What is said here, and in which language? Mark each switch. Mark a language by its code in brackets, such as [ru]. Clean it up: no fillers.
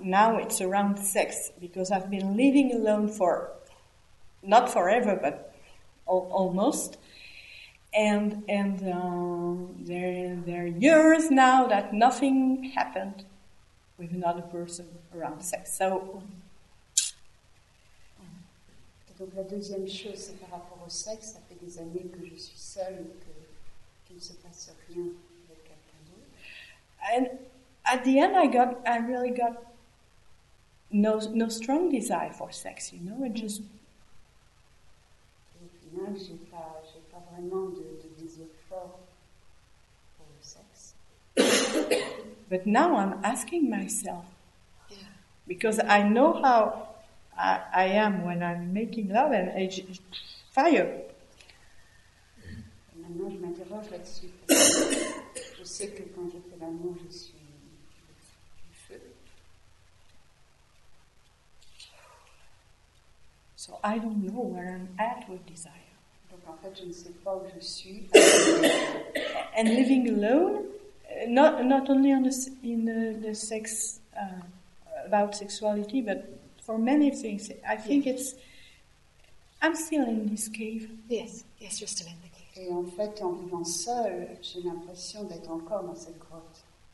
[en] Now it's around sex, because I've been living alone for, not forever, but almost. There are years now that nothing happened with another person around sex. So... [fr] Donc la deuxième chose, c'est par rapport au sexe. Ça fait des années que je suis seule et qu'il ne se passe rien avec quelqu'un d'autre. [en] And at the end, I really got no strong desire for sex. You know, it just. [fr] Et au final, j'ai pas vraiment de désir fort pour le sexe. [en] But now I'm asking myself, because I know how. I am when I'm making love and it's fire. [fr] Maintenant, je m'interroge là-dessus. Je sais que quand je fais l'amour, je suis du feu. [en] So I don't know where I'm at with desire. [fr] Donc en fait, je ne sais pas où je suis. [en] And living alone, not only on the sex about sexuality, but for many things, I think I'm still in this cave. Yes, you're still in the cave. [fr] Et en fait, en vivant seul, j'ai l'impression d'être encore dans cette grotte.